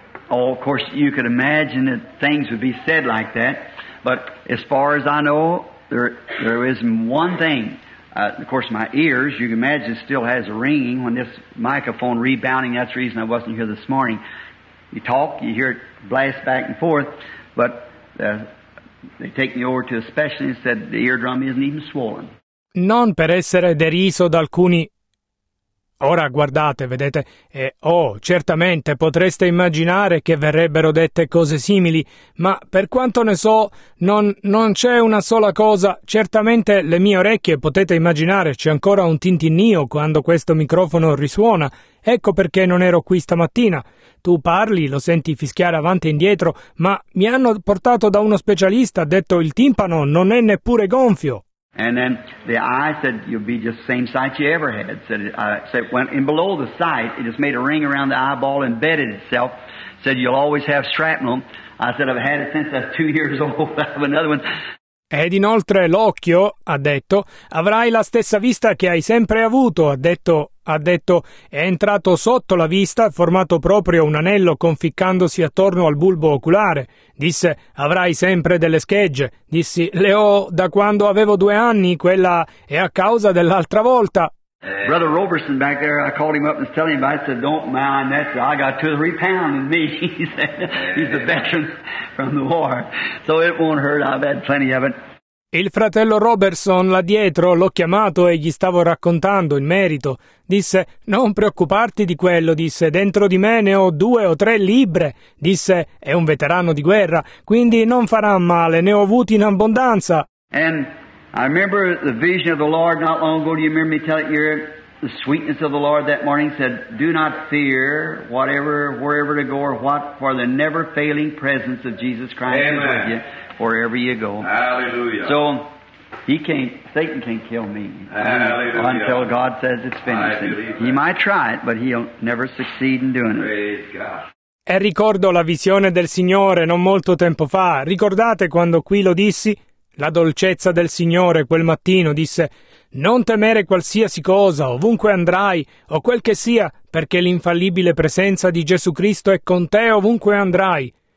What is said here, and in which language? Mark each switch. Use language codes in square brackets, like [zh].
[en] Oh, of course, you could imagine that things would be said like that, but as far as I know, there is one thing... of course, my ears, you can imagine, still has a ringing when this microphone rebounding. That's the reason I wasn't here this morning. You talk, you hear it blast back and forth, but They take me over to a specialist and said the eardrum isn't even swollen. [it] Non per essere deriso da alcuni. Ora guardate, vedete, e oh, certamente potreste immaginare che verrebbero dette cose simili, ma per quanto ne so, non c'è una sola cosa. Certamente le mie orecchie, potete immaginare, c'è ancora un tintinnio quando questo microfono risuona. Ecco perché non ero qui stamattina. Tu parli, lo senti fischiare avanti e indietro, ma mi hanno portato da uno specialista, ha detto il timpano non è neppure gonfio. [en] And then the eye said, you'll be just the same sight you ever had. Said it went in below the sight, it just made a ring around the eyeball, embedded itself. Said, you'll always have shrapnel. I said, I've had it since I was 2 years old. I have another one. [it] Ed inoltre l'occhio, ha detto, avrai la stessa vista che hai sempre avuto, ha detto, è entrato sotto la vista, formato proprio un anello conficcandosi attorno al bulbo oculare. Disse, avrai sempre delle schegge. Dissi, le ho da quando avevo 2 anni, quella è a causa dell'altra volta. [en] Brother Roberson back there, I called him up and was telling him about it. I said, don't mind, I got 2 or 3 pounds in me. He's a veteran from the war, so it won't hurt, I've had plenty of it. [it] Il fratello Robertson là dietro, l'ho chiamato e gli stavo raccontando in merito. Disse, non preoccuparti di quello, disse, dentro di me ne ho 2 o 3 libbre. Disse, è un veterano di guerra, quindi non farà male, ne ho avuti in abbondanza. [en] And I remember the vision of the Lord not long ago. Do you remember me telling you the sweetness of the Lord that morning? Said, do not fear, whatever, wherever to go or what, for the never failing presence of Jesus Christ Amen. Is with you wherever you go. Hallelujah. So, Satan can't kill me. Hallelujah. Until God says it's finished. I believe he that. Might try it, but he'll never succeed in doing Praise it. Praise God. [it] E ricordo la visione del Signore non molto tempo fa. Ricordate quando qui lo dissi? La dolcezza del Signore quel mattino disse, non temere qualsiasi cosa, ovunque andrai, o quel che sia, perché l'infallibile presenza di Gesù Cristo è con te ovunque andrai.